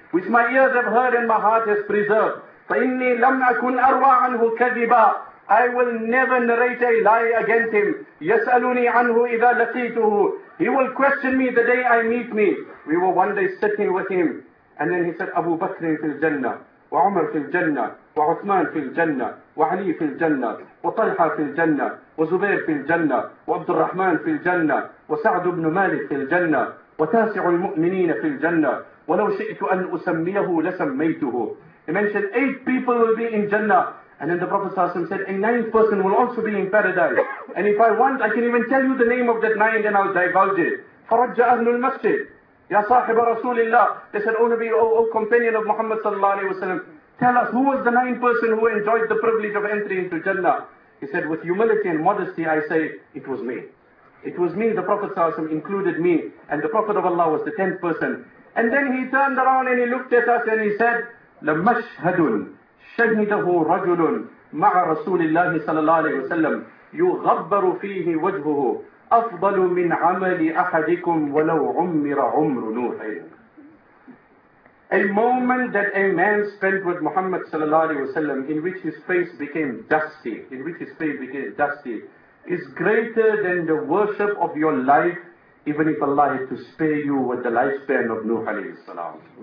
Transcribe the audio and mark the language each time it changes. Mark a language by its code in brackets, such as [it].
[en] Which my ears have heard and my heart has preserved. [ar] فَإِنِّي لَمْ أَكُنْ أَرْوَى عَنْهُ كَذِبًا. [en] I will never narrate a lie against him. [ar] يَسْأَلُنِي عَنْهُ إِذَا لَقِيتُهُ. [en] He will question me the day I meet me. We were one day sitting with him. And then he said, [ar] أبو بكر في الجنة وعمر في الجنة وعثمان في الجنة وعلي في الجنة وطلحة في الجنة وزبير في الجنة وعبد الرحمن في الجنة وسعد بن مالك في الجنة وتاسع المؤمنين في الجنة ولو شئت أن أسميه لسميته. [en] He mentioned 8 people will be in Jannah. And then the Prophet ﷺ said, a 9th person will also be in paradise. And if I want, I can even tell you the name of that 9th and I'll divulge it. [ar] فَرَجَّ أَهْلُ الْمَسْجِدِ يَا صَاحِبَ رَسُولِ اللَّهِ. [en] They said, oh Nabi, oh companion of Muhammad sallallahu alayhi wa sallam, tell us who was the 9th person who enjoyed the privilege of entry into Jannah. He said, with humility and modesty, I say, it was me. It was me, the Prophet ﷺ included me. And the Prophet of Allah was the 10th person. And then he turned around and he looked at us and he said, [ar] لَمَشْهَدٌ شَهِدَهُ رَجُلٌ مَعَ رَسُولِ اللَّهِ صَلَى اللَّهِ عَلَيْهِ وَسَلَّمْ يُغَبَّرُ فِيهِ وَجْهُهُ أَفْضَلُ مِنْ عَمَلِ أَحَدِكُمْ وَلَوْ عُمِّرَ عُمْرُ نُوحٍ. [en] A moment that a man spent with Muhammad sallallahu alayhi wa sallam, in which his face became dusty, in which his face became dusty, is greater than the worship of your life, even if Allah had to spare you with the lifespan of Nuh alayhi salam.